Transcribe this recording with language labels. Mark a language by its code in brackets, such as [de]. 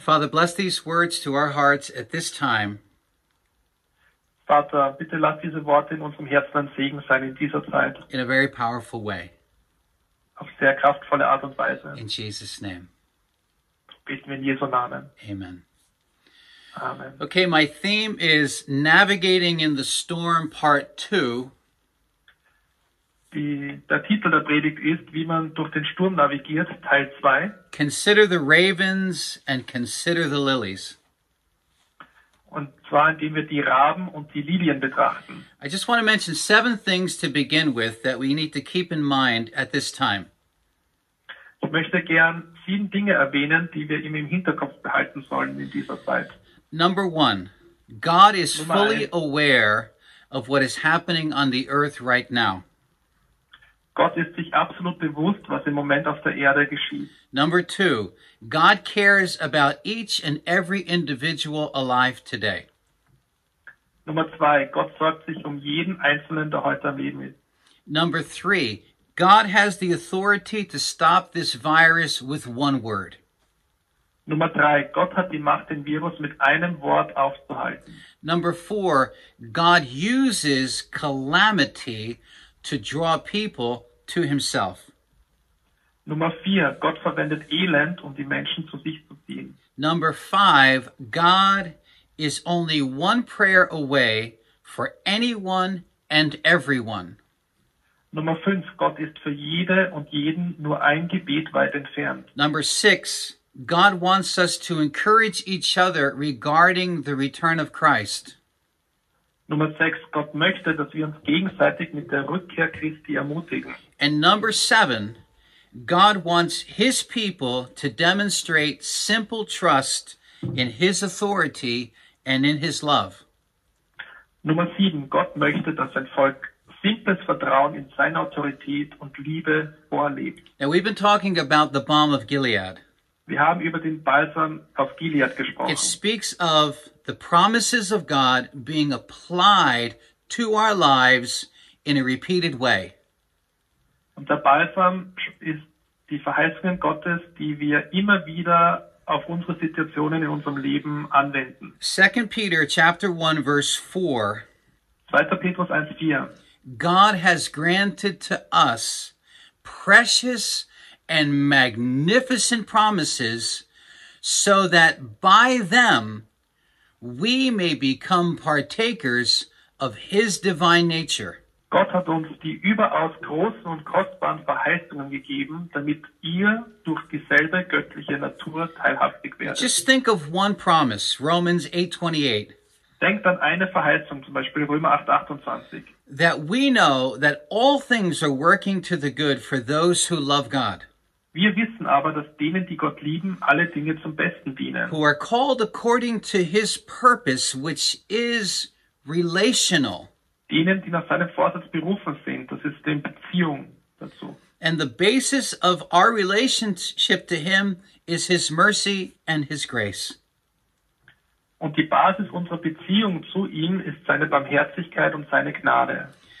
[en] Father, bless these words to our hearts at this time. [de] Vater, bitte lass diese Worte in unserem Herzen ein Segen sein in dieser Zeit. [en] In a very powerful way. [de] Auf sehr kraftvolle Art und Weise. [en] In Jesus' name. [de] Bitten wir in Jesu Namen. [en] Amen. [de] Amen. [en] Okay, my theme is Navigating in the Storm, Part 2. [de] Der Titel der Predigt ist, wie man durch den Sturm navigiert, Teil 2. [en] Consider the ravens and consider the lilies. [de] Und zwar, indem wir die Raben und die Lilien betrachten. [en] I just want to mention 7 things to begin with that we need to keep in mind at this time. [de] Ich möchte gern 7 Dinge erwähnen, die wir im Hinterkopf behalten sollen in dieser Zeit. [en] Number 1, God is fully aware of what is happening on the earth right now. [de] Gott ist sich absolut bewusst, was im Moment auf der Erde geschieht. [en] Number 2, God cares about each and every individual alive today. [de] Nummer 2, Gott sorgt sich um jeden Einzelnen, der heute am Leben ist. [en] Number 3, God has the authority to stop this virus with one word. [de] Nummer 3, Gott hat die Macht, den Virus mit einem Wort aufzuhalten. [en] Number 4, God uses calamity to draw people to himself. [de] Nummer 4, Gott verwendet Elend, um die Menschen zu sich zu ziehen. [en] Number 5, God is only one prayer away for anyone and everyone. [de] Nummer 5, Gott ist für jede und jeden nur ein Gebet weit entfernt. [en] Number 6, God wants us to encourage each other regarding the return of Christ. [de] Nummer 6, Gott möchte, dass wir uns gegenseitig mit der Rückkehr Christi ermutigen. [en] And number 7, God wants his people to demonstrate simple trust in his authority and in his love. [de] Nummer 7, Gott möchte, dass sein Volk simples Vertrauen in seine Autorität und Liebe vorlebt. [en] Now we've been talking about the balm of Gilead. [de] Wir haben über den Balsam auf Gilead gesprochen. [en] It speaks of the promises of God being applied to our lives in a repeated way. [de] Und der Balsam ist die Verheißungen Gottes, die wir immer wieder auf unsere Situationen in unserem Leben anwenden. [en] 2 Peter chapter 1 verse 4. [de] 2. Petrus 1:4. [en] God has granted to us precious and magnificent promises, so that by them we may become partakers of his divine nature. [de] Gott hat uns die überaus großen und kostbaren Verheißungen gegeben, damit ihr durch dieselbe göttliche Natur teilhaftig werdet. [en] Just think of one promise, Romans 8:28. [de] Denkt an eine Verheißung, zum Beispiel Römer 8:28. [en] That we know that all things are working to the good for those who love God. [de] Wir wissen aber, dass denen, die Gott lieben, alle Dinge zum Besten dienen. [en] Who are called according to his purpose, which is relational. [de] Denen, die nach seinem Vorsatz berufen sind, das ist die Beziehung dazu. [en] And the basis of our relationship to him is his mercy and his grace. [de] Und die Basis unserer Beziehung zu ihm ist seine Barmherzigkeit und seine Gnade.